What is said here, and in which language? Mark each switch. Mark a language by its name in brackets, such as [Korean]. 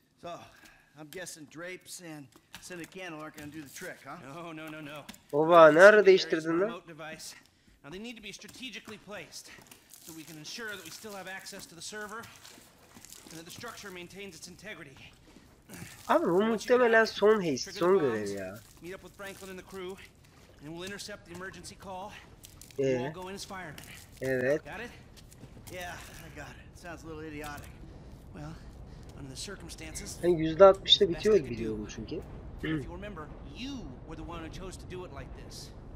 [English] So, I'm guessing drapes and scented candle aren't gonna do the trick, huh? No. [Turkish] Oba, nerede değiştirdin lan? [English] Now they need to be strategically placed, so we can ensure that we still have access to the server, and that the structure maintains its integrity. [Turkish] Abi bu muhtemelen son haste, son görev ya. [English] Meet up with Franklin and the crew, and we'll intercept the emergency call. We'll go in as firemen. [Turkish] Evet. [English] Got it? Yeah, I got it. Sounds a little idiotic. Well, under the circumstances. [Turkish] Hani %60'da bitiyor biliyorum çünkü. [English] If you remember, you were the one who chose to do it like this.